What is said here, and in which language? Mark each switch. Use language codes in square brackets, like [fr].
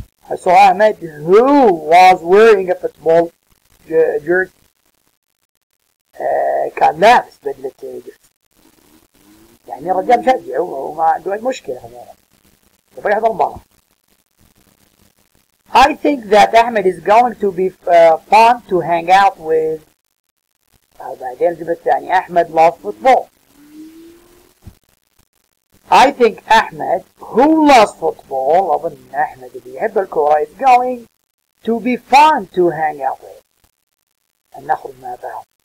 [en] I saw Ahmed who was wearing a football jersey. [ar] كان لابس بدلة جيرسي. يعني رجال مشجع وما عنده مشكلة هذا. يحضر المباراة. [en] I think that Ahmed is going to be fun to hang out with. [ar] بعدين الجملة الثانية [en] Ahmed loves football. I think Ahmed, who loves football, [ar] أظن أحمد اللي يحب الكرة, [en] is going to be fun to hang out with. [ar] أن نخرج مع بعض.